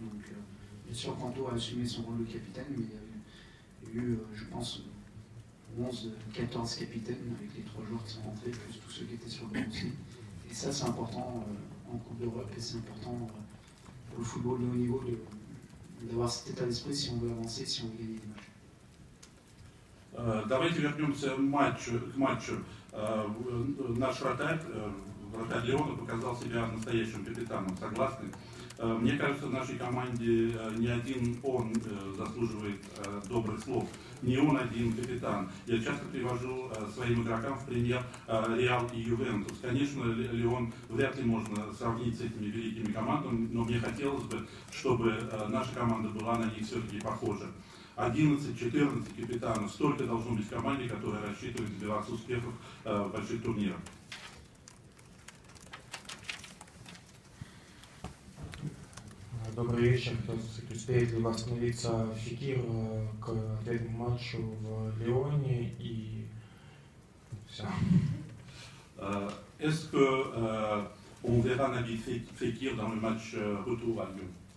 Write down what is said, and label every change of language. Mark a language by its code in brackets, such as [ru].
[fr] Donc, bien sûr, Kanto a assumé son rôle de capitaine, mais il y a eu, je pense, 14 capitaines avec les trois joueurs qui sont rentrés, plus tous ceux qui étaient sur le banc aussi. Et ça, c'est important en Coupe d'Europe et c'est important pour le football de haut niveau d'avoir cet état d'esprit si on veut avancer, si on veut gagner des matchs. [ru] Давайте вернемся к матчу. Наш вратарь Лиона показал себя настоящим капитаном. Согласны? Мне кажется, в нашей команде не один он заслуживает добрых слов. Не он один капитан. Я часто привожу своим игрокам в пример Реал и Ювентус. Конечно, Лион вряд ли можно сравнить с этими великими командами, но мне хотелось бы, чтобы наша команда была на них все-таки похожа. 11-14 капитанов. Столько должно быть в команде, которая рассчитывает добиваться успехов в больших турнирах. Добрый вечер. Кто успеет ли восстановиться Фекир к ответному матчу в Лионе и все. [fr] Est-ce que on verra Nabil Fekir dans le match retour à Lyon?